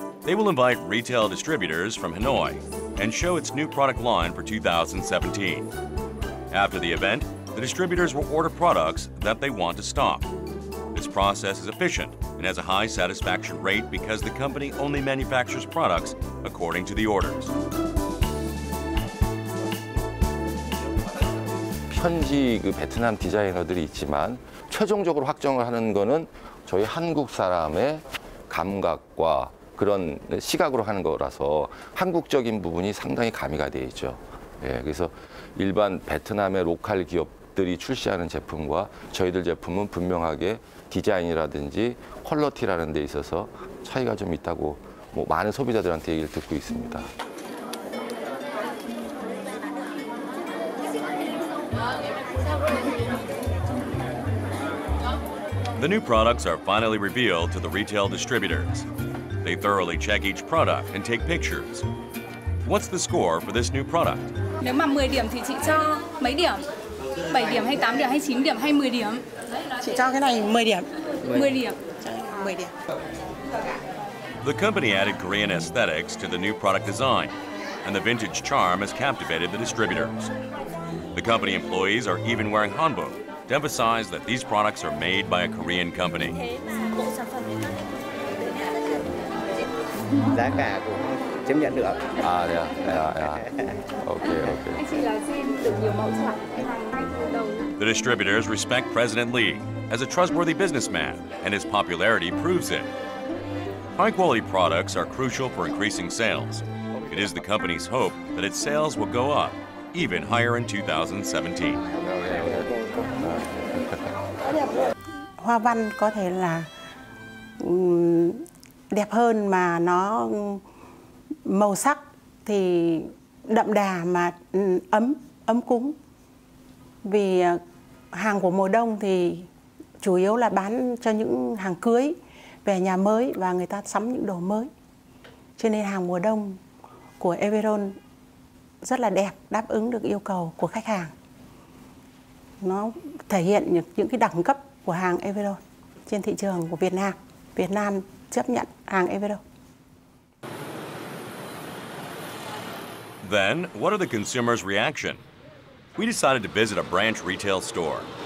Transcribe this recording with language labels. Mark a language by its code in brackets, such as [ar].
[en] They will invite retail distributors from Hanoi and show its new product line for 2017. After the event, the distributors will order products that they want to stock. This process is efficient and has a high satisfaction rate because the company only manufactures products according to the orders. [ko] 현지 그 베트남 디자이너들이 있지만 최종적으로 확정을 하는 거는 저희 한국 사람의 감각과 그런 시각으로 하는 거라서 한국적인 부분이 상당히 가미가 되어 있죠. 예, 그래서 일반 베트남의 로컬 기업 들이 출시하는 제품과 저희들 제품은 분명하게 디자인이라든지 퀄리티라는 데 있어서 차이가 좀 있다고 뭐 많은 소비자들한테 얘기를 듣고 있습니다. [en] The new products are finally revealed to the retail distributors. They thoroughly check each product and take pictures. What's the score for this new product? [vi] 넘 10 điểm thì chị cho mấy điểm? 7 điểm hay 8 điểm hay 9 điểm hay 10 điểm? Chị cho cái này 10 điểm. 10 điểm. 10 điểm. [en] The company added Korean aesthetics to the new product design, and the vintage charm has captivated the distributors. The company employees are even wearing hanbok to emphasize that these products are made by a Korean company. [ko] 자, 가고 [en] The distributors respect President Lee as a trustworthy businessman, and his popularity proves it. High-quality products are crucial for increasing sales. It is the company's hope that its sales will go up, even higher in 2017. [vi] Hoa văn có thể là đẹp hơn mà nó màu sắc thì đậm đà mà ấm cúng. Vì hàng của mùa đông thì chủ yếu là bán cho những hàng cưới về nhà mới và người ta sắm những đồ mới. Cho nên hàng mùa đông của Everon rất là đẹp, đáp ứng được yêu cầu của khách hàng. Nó thể hiện những cái đẳng cấp của hàng Everon trên thị trường của Việt Nam. Việt Nam chấp nhận hàng Everon. [en] Then, what are the consumers' reaction? We decided to visit a branch retail store.